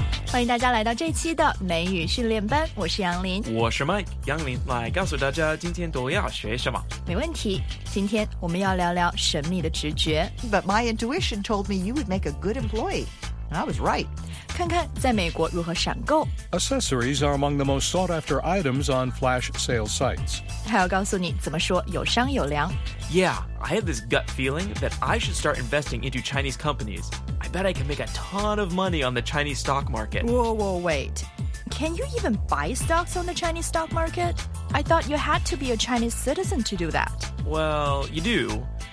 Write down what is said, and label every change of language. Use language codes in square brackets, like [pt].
[zh] 欢迎大家来到这期的美语训练班，我是杨林，我是 Mike 杨林，来告诉大家今天都要学什么。没问题，今天我们要聊聊神秘的直觉。 [en] But my intuition told me you would make a good employee, and I was right. [zh] 看看在美国如何闪购。 [en] Accessories are among the most sought after items on flash sale sites. [zh] 还要告诉你怎么说有商有量。 [en] Yeah, I had this gut feeling that I should start investing into Chinese companies. I bet I can make a ton of money on the Chinese stock market. Whoa, whoa, wait. Can you even buy stocks on the Chinese stock market? I thought you had to be a Chinese citizen to do that. Well, you do.